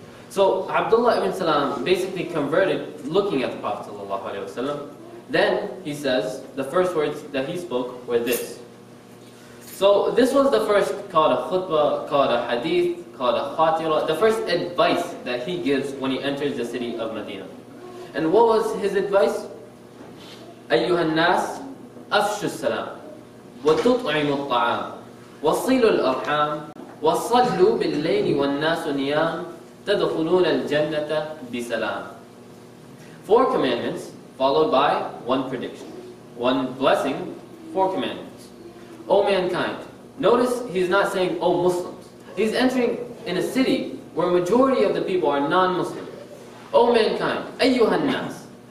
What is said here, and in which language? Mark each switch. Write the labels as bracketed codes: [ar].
[en] So Abdullah ibn Salam basically converted looking at the Prophet sallallahu alaihi wasallam. Then he says, the first words that he spoke were this. So this was the first, called a khutbah, called a hadith, called a khatira, the first advice that he gives when he enters the city of Medina. And what was his advice? [ar] أيها الناس أفشوا السلام وتطعموا الطعام وصلوا الأرحام وصلوا بالليل والناس نيام تدخلون الجنة بسلام. [en] Four commandments followed by one prediction. One blessing, four commandments. O mankind, notice he's not saying, O Muslims. He's entering in a city where majority of the people are non-Muslim. O mankind, [ar] أيها الناس,